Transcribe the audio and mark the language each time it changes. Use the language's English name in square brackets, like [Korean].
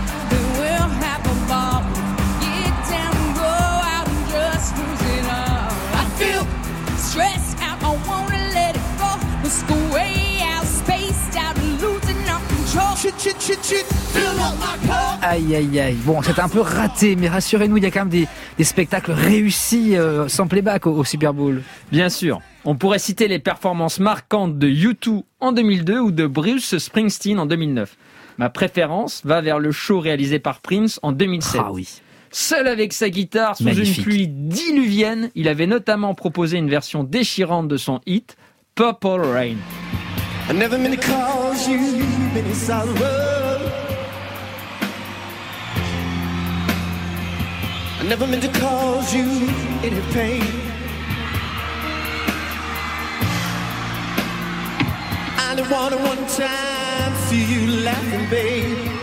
[English] We will have a ball, get down and go out and just lose it all. I feel stressed out, I wanna let it go. Let's go way out, spaced out, losing our control. Chit, chit, chit, chit, fill up my cup. [French] Aïe, aïe, aïe. Bon, c'est un peu raté, mais rassurez-nous, il y a quand même des spectacles réussis sans playback au Super Bowl. Bien sûr. On pourrait citer les performances marquantes de U2 en 2002 ou de Bruce Springsteen en 2009. Ma préférence va vers le show réalisé par Prince en 2007. Ah oui. Seul avec sa guitare, sous Magnifique. Une pluie diluvienne, il avait notamment proposé une version déchirante de son hit « Purple Rain ». [English] I never meant to cause you, you've been inside the world. I never meant to cause you any pain. I only wanted one time to see you laughing, babe.